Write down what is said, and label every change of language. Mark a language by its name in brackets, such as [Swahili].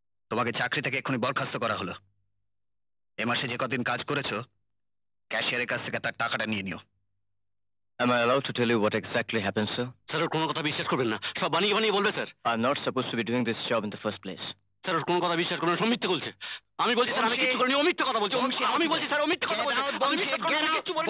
[Bangla] তোমাকে চাকরি থেকে এক্ষুনি বরখাস্ত করা হলো। এ মাসে যে কদিন কাজ করেছো ক্যাশিয়ারের কাছ থেকে তার টাকাটা নিয়ে নিও। [English] Am I allowed to tell you what exactly happened, sir? [Bangla] Sir ওর কোনো কথা বিশ্বাস করবেন না, সব বানিয়ে বানিয়ে বলবে sir. [English] I'm not supposed to be doing this job in the first place. [Bangla] Sir ওর কোনো কথা বিশ্বাস করবেন না, সব মিথ্যে বলছে। আমি বলছি স্যার আমি কিচ্ছু করিনি, ও মিথ্যে কথা বলছে। আমি বলছি স্যার ও মিথ্যে কথা বলছে, আমি বিশ্বাস করিনি, কিচ্ছু করিনি।